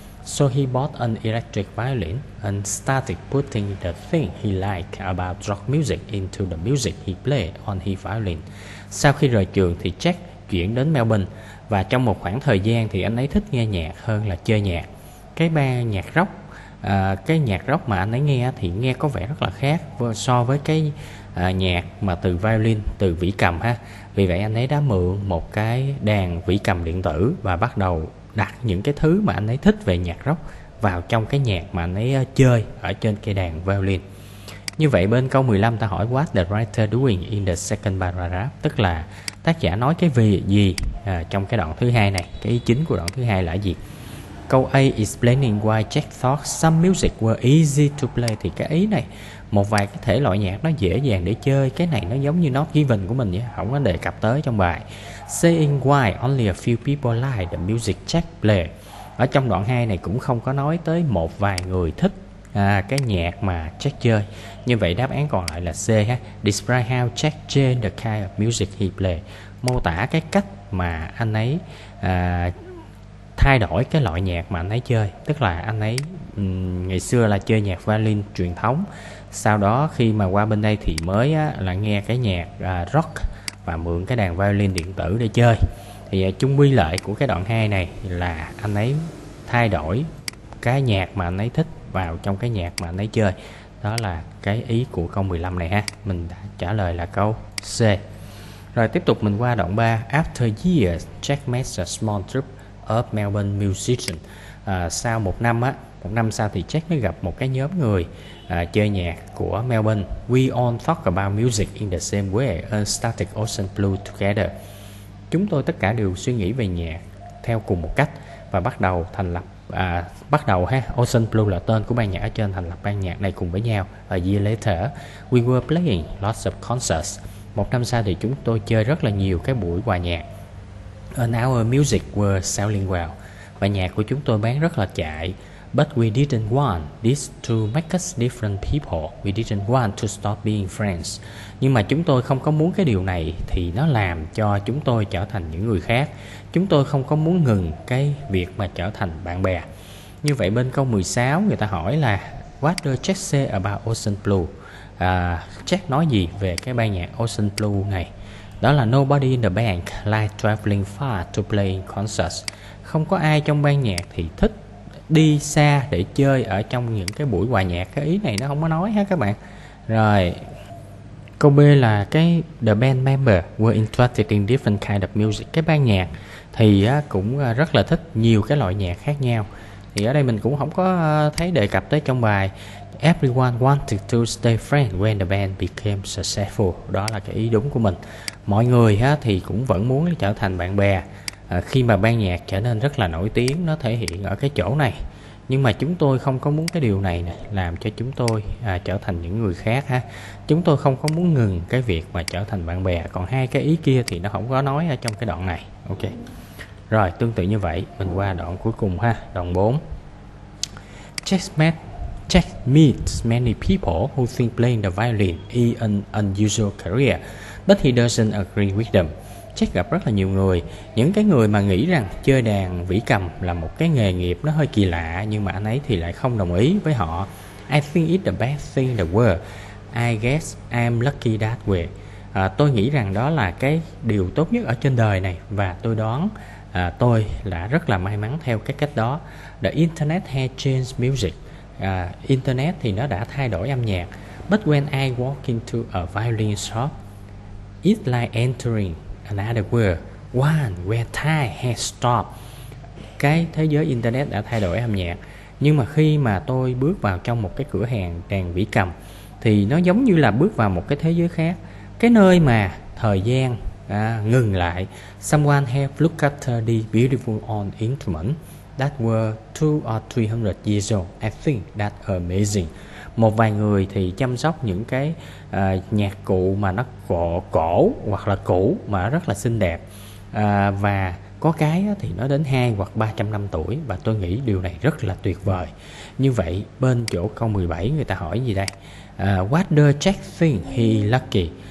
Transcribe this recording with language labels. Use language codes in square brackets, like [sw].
[en] So he bought an electric violin and started putting the thing he liked about rock music into the music he played on his violin. [vi] Sau khi rời trường thì Jack chuyển đến Melbourne, và trong một khoảng thời gian thì anh ấy thích nghe nhạc hơn là chơi nhạc. Cái ban nhạc rock, cái nhạc rock mà anh ấy nghe thì nghe có vẻ rất là khác so với cái nhạc mà từ violin, từ vĩ cầm ha. Vì vậy anh ấy đã mượn một cái đàn vĩ cầm điện tử và bắt đầu đặt những cái thứ mà anh ấy thích về nhạc rock vào trong cái nhạc mà anh ấy chơi ở trên cây đàn violin. Như vậy bên câu 15 ta hỏi [en] what the writer doing in the second paragraph, [vi] tức là tác giả nói cái gì trong cái đoạn thứ hai này, cái ý chính của đoạn thứ hai là gì. [en] Câu A, explaining why Jack thought some music were easy to play. [vi] Thì cái ý này, một vài cái thể loại nhạc nó dễ dàng để chơi. Cái này nó giống như not given của mình vậy, không có đề cập tới trong bài. [en] Saying why only a few people like the music Jack play. [vi] Ở trong đoạn 2 này cũng không có nói tới một vài người thích cái nhạc mà Jack chơi. Như vậy đáp án còn lại là C ha. [en] Describe how Jack changed the kind of music he play. [vi] Mô tả cái cách mà anh ấy thay đổi cái loại nhạc mà anh ấy chơi. Tức là anh ấy ngày xưa là chơi nhạc violin truyền thống, sau đó khi mà qua bên đây thì mới á, là nghe cái nhạc rock và mượn cái đàn violin điện tử để chơi. Thì chung quy lại của cái đoạn 2 này là anh ấy thay đổi cái nhạc mà anh ấy thích vào trong cái nhạc mà anh ấy chơi. Đó là cái ý của câu 15 này ha. Mình đã trả lời là câu C. Rồi tiếp tục mình qua đoạn 3. [en] After years, Jack met a small troupe of Melbourne musicians. [vi] Sau một năm á, một năm sau thì Jack mới gặp một cái nhóm người chơi nhạc của Melbourne. [en] We all talk about music in the same way, a static ocean blue together. [vi] Chúng tôi tất cả đều suy nghĩ về nhạc theo cùng một cách và bắt đầu thành lập bắt đầu ha, Ocean Blue là tên của ban nhạc ở trên, thành lập ban nhạc này cùng với nhau. [en] A year later, we were playing lots of concerts. [vi] Một năm sau thì chúng tôi chơi rất là nhiều cái buổi hòa nhạc. [en] And our music were selling well. [vi] Và nhạc của chúng tôi bán rất là chạy. [en] But we didn't want this to make us different people. We didn't want to stop being friends. [vi] Nhưng mà chúng tôi không có muốn cái điều này thì nó làm cho chúng tôi trở thành những người khác. Chúng tôi không có muốn ngừng cái việc mà trở thành bạn bè. Như vậy bên câu 16 người ta hỏi là [en] What does Jack say about Ocean Blue? [vi] Jack nói gì về cái ban nhạc Ocean Blue này? Đó là [en] nobody in the band like traveling far to play concerts. [vi] Không có ai trong ban nhạc thì thích đi xa để chơi ở trong những cái buổi hòa nhạc. Cái ý này nó không có nói ha các bạn. Rồi câu B là cái [en] the band member were interested in different kind of music. [vi] Cái ban nhạc thì cũng rất là thích nhiều cái loại nhạc khác nhau. Thì ở đây mình cũng không có thấy đề cập tới trong bài. [en] Everyone wanted to stay friends when the band became successful. [vi] Đó là cái ý đúng của mình. Mọi người thì cũng vẫn muốn trở thành bạn bè khi mà ban nhạc trở nên rất là nổi tiếng, nó thể hiện ở cái chỗ này. Nhưng mà chúng tôi không có muốn cái điều này nè, làm cho chúng tôi trở thành những người khác ha. Chúng tôi không có muốn ngừng cái việc mà trở thành bạn bè. Còn hai cái ý kia thì nó không có nói ở trong cái đoạn này. Ok. Rồi tương tự như vậy, mình qua đoạn cuối cùng ha, đoạn 4. [en] Jack meets many people who think playing the violin is an unusual career, but he doesn't agree with them. [vi] Jack gặp rất là nhiều người, những cái người mà nghĩ rằng chơi đàn vĩ cầm là một cái nghề nghiệp nó hơi kỳ lạ, nhưng mà anh ấy thì lại không đồng ý với họ. [en] I think it's the best thing in the world. I guess I'm lucky that way. [vi] Tôi nghĩ rằng đó là cái điều tốt nhất ở trên đời này, và tôi đoán tôi đã rất là may mắn theo cái cách đó. The internet has changed music. Internet thì nó đã thay đổi âm nhạc. [en] But when I walk into a violin shop, it's like entering another world, one where time has stopped. [vi] Cái thế giới internet đã thay đổi âm nhạc. Nhưng mà khi mà tôi bước vào trong một cái cửa hàng đàn vĩ cầm thì nó giống như là bước vào một cái thế giới khác, cái nơi mà thời gian ngừng lại. [en] Someone has looked at the beautiful old instrument that were 200 or 300 years old. I think that's amazing. [vi] Một vài người thì chăm sóc những cái nhạc cụ mà nó cổ hoặc là cũ mà rất là xinh đẹp. Và có cái thì nó đến 200 hoặc 300 năm tuổi. Và tôi nghĩ điều này rất là tuyệt vời. Như vậy bên chỗ câu 17 người ta hỏi gì đây? [en] What does Jack think he lucky?